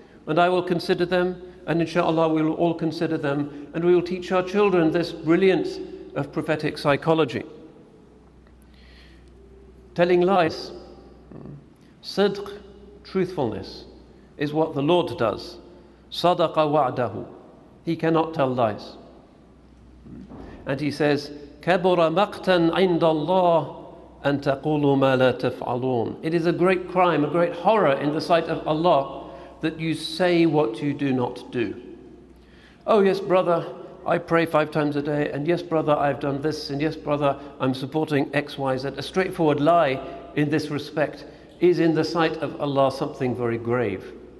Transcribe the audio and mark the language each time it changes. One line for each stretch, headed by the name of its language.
English: And I will consider them, and inshallah we will all consider them, and we will teach our children this brilliance of prophetic psychology. Telling lies. Sidq, truthfulness, is what the Lord does. Sadaqa wa'dahu. He cannot tell lies. And he says,
Arabic: كَبُرَ مَقْتًا عِنْدَ اللَّهِ أَن تَقُولُوا مَا لَا تَفْعَلُونَ.
English: It is a great crime, a great horror in the sight of Allah that you say what you do not do. Oh yes, brother, I pray five times a day, and yes, brother, I've done this, and yes, brother, I'm supporting X, Y, Z. A straightforward lie in this respect is in the sight of Allah something very grave.